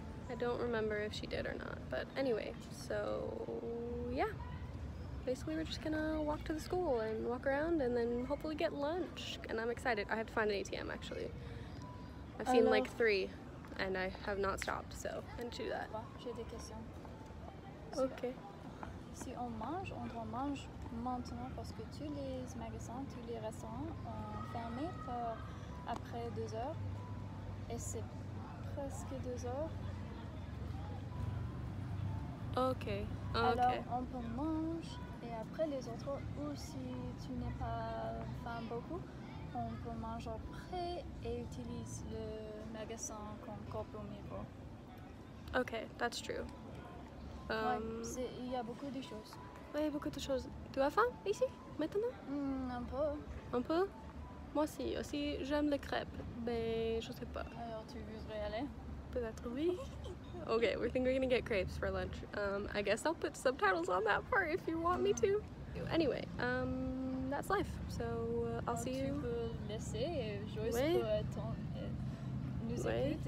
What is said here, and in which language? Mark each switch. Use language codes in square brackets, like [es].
[en] I don't remember if she did or not. But anyway, so yeah. Basically, we're just gonna walk to the school and walk around and then hopefully get lunch. And I'm excited. I have to find an ATM, actually. I've seen like three and I have not stopped, so I need to do that. [fr] J'ai des questions. [en] Okay. [fr] Si on mange, on doit manger maintenant parce que tous les magasins, tous les restaurants ont fermé pour après 2 heures. Et c'est presque 2 heures. [en] Okay. [fr] Alors, on peut manger. Et après les autres, ou si tu n'es pas faim beaucoup, on peut manger après et utilise le magasin comme compromis. [en] Ok, that's true. [fr] Ouais, il y a beaucoup de choses. Oui, beaucoup de choses. Tu as faim ici, maintenant? Un peu. Un peu? Moi aussi. Aussi, j'aime les crêpes, mais je sais pas. Alors, tu voudrais aller? Peut-être oui. [en] Okay, we think we're gonna get crepes for lunch. I guess I'll put subtitles on that part if you want me to. Anyway, that's life. So I'll see you. [fr] Tu peux laisser et je peux nous écouter.